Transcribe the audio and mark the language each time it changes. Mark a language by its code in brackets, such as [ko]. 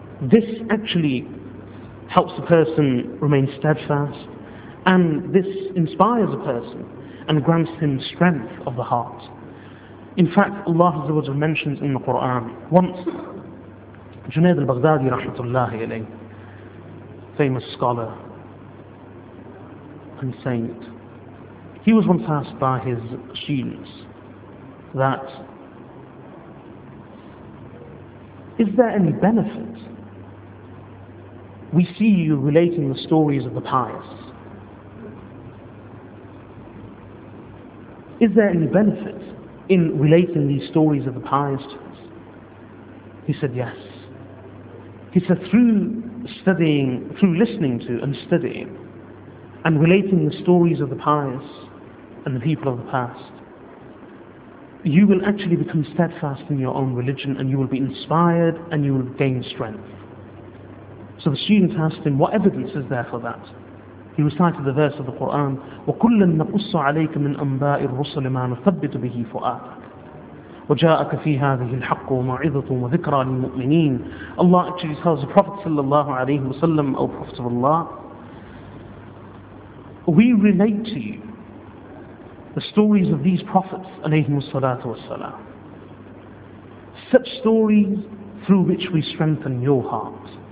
[en] This actually helps the person remain steadfast, and this inspires a person and grants him strength of the heart. In fact, Allah mentions in the Quran, once جنيد البغدادي رحمة الله عليه, famous scholar and saint. He was once asked by his students that, is there any benefit? We see you relating the stories of the pious. Is there any benefit in relating these stories of the pious to us? He said, yes. He said, through listening to and studying and relating the stories of the pious and the people of the past, you will actually become steadfast in your own religion, and you will be inspired and you will gain strength. So the student asked him, what evidence is there for that? [ar] He recited the verse of the Quran, وَكُلًّا نَقُصُّ عَلَيْكَ مِنْ أَنْبَاءِ الرُّسُلِ مَا نُثَبِّتُ بِهِ فُؤَادَكَ وَجَاءَكَ فِي هَذِهِ الْحَقُّ وَمَوْعِظَةٌ وَذِكْرَى لِلْمُؤْمِنِينَ. [en] Allah actually tells the Prophet sallallahu alayhi wa sallam, O Prophet of Allah, we relate to you the stories of these prophets alayhimu salatu wassalam, such stories through which we strengthen your heart.